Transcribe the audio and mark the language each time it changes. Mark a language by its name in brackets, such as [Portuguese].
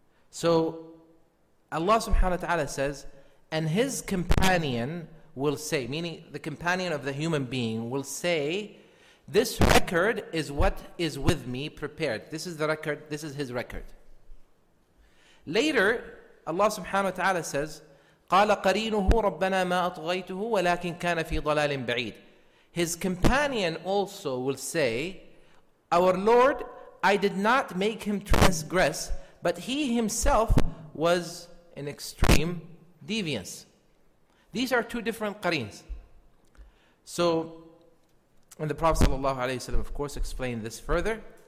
[English] So Allah subhanahu wa ta'ala says, and his companion will say, meaning the companion of the human being will say, this record is what is with me prepared. This is the record, this is his record. Later, Allah subhanahu wa ta'ala says, [Arabic] قال قرينه ربنا ما أطغيته ولكن كان في ضلال بعيد. [English] His companion also will say, our Lord, I did not make him transgress, but he himself was an extreme deviance. These are two different qareens. So, and the Prophet sallallahu alaihi wasallam of course explained this further.